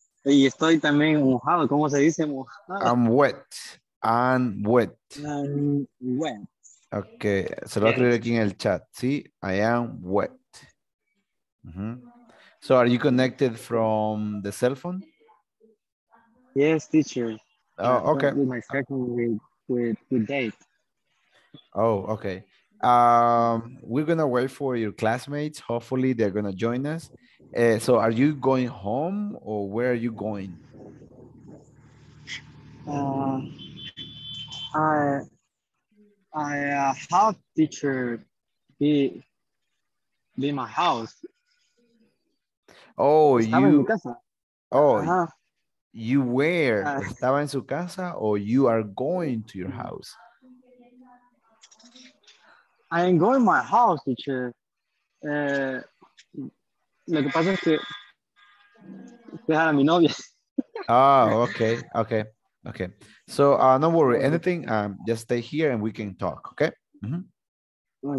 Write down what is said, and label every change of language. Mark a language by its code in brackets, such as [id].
[es] Y estoy también mojado, ¿cómo se dice mojado? [en] I'm wet. [es] Okay, se lo voy a escribir aquí en el chat. [en] Sí, I am wet. Mm-hmm. So, are you connected from the cell phone? Yes, teacher. Oh, okay. My second with date. Oh, okay. We're gonna wait for your classmates. Hopefully, they're gonna join us. So, are you going home or where are you going? I have teacher be my house. Oh, you. [es] En mi casa. [en] Oh, you were. [es] Estaba en su casa, [en] or you are going to your house? I am going to my house, teacher. [es] Lo que pasa es que dejar a mi novia. [en] Oh, okay, okay. Okay, so no worry, anything, just stay here and we can talk, okay? Mm-hmm.